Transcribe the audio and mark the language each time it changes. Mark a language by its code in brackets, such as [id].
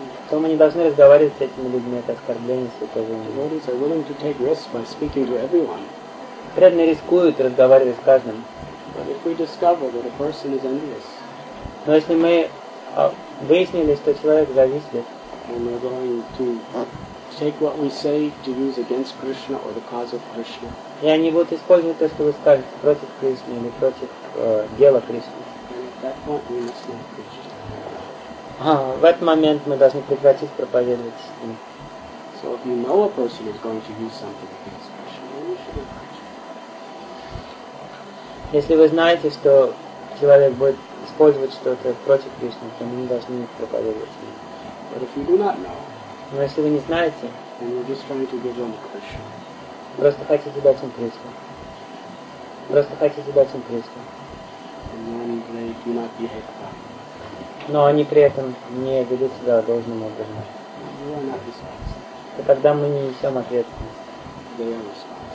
[ru] То мы не должны разговаривать с этими людьми, это оскорбление святого имени. [en] Devotees are willing to take risks by speaking to everyone. [ru] Преданные рискуют, разговаривая с каждым. [en] But if we discover that a person is envious, [ru] но если мы выяснили, что человек завистлив, [en] then we're going to take what we say to use against Krishna or the cause of Krishna. [ru] И они будут использовать то, что вы скажете против Кришны или против дела Кришны. [en] And at that point we must not preach. [ru] В этот момент мы должны прекратить проповедовать с ним. [en] So if you know a person is going to use something against Krishna, you should preach. [ru] Если вы знаете, что человек будет использовать что-то против Кришны, то мы не должны проповедовать с ним. [en] But if you do not know, [ru] но если вы не знаете, [en] then you're just trying to give them Krishna. [ru] Просто хотите дать им Кришну. [en] And then they do not behave properly. [ru] Но они при этом не ведут себя должным образом. И тогда мы не несем ответственность.